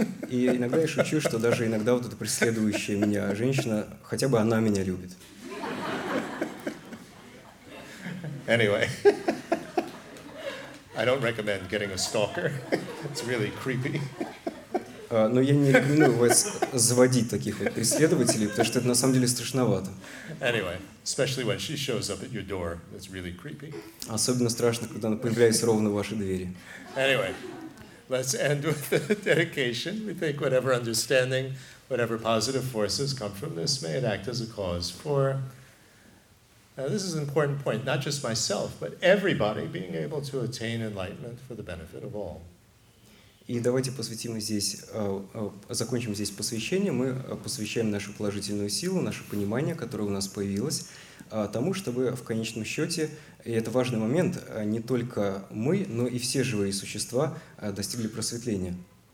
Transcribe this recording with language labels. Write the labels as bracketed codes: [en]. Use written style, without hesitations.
[ru] И иногда я шучу, что даже иногда вот эта преследующая меня женщина, хотя бы она меня любит. [en] Anyway. I don't recommend getting a stalker. It's really creepy. [ru] Но я не рекомендую вас заводить таких вот преследователей, потому что это на самом деле страшновато. [en] Anyway, especially when she shows up at your door, it's really creepy. [ru] Особенно страшно, когда она появляется ровно в вашей двери. [en] Anyway, let's end with the dedication. We think whatever understanding, whatever positive forces come from this, may it act as a cause for. Now, this is an important point, not just myself, but everybody being able to attain enlightenment for the benefit of all. [ru] И давайте посвятим здесь, закончим здесь посвящение. Мы посвящаем нашу положительную силу, наше понимание, которое у нас появилось, тому, чтобы в конечном счете, и это важный момент, не только мы, но и все живые существа достигли просветления.